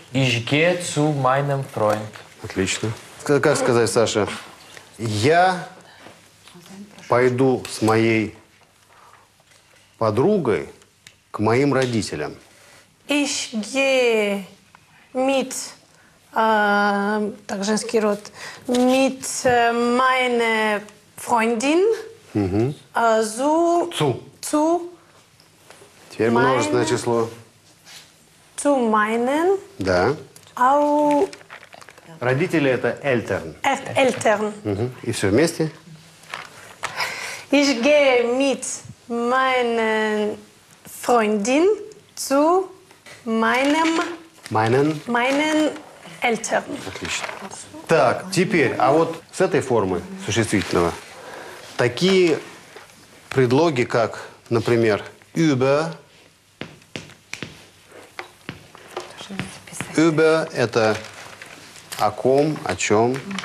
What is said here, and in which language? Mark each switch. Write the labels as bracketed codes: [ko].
[de] Ich gehe zu meinem Freund. [ru] Отлично. Как сказать, Саша? Я пойду с моей подругой к моим родителям. [de] Ich gehe mit, [ru] так женский род, [de] mit meine Freundin zu [ru] теперь [de] meine, [ru] множественное число. [de] Zu meinen. [ru] Да. Au родители это [de] Eltern. Eltern. [ru] И все вместе. [de] Ich gehe mit meine Freundin zu meinem meinen meinen Eltern. [ru] Отлично. Так, теперь, а вот с этой формы существительного такие предлоги, как, например, [de] über [ru] – это о ком, о чем.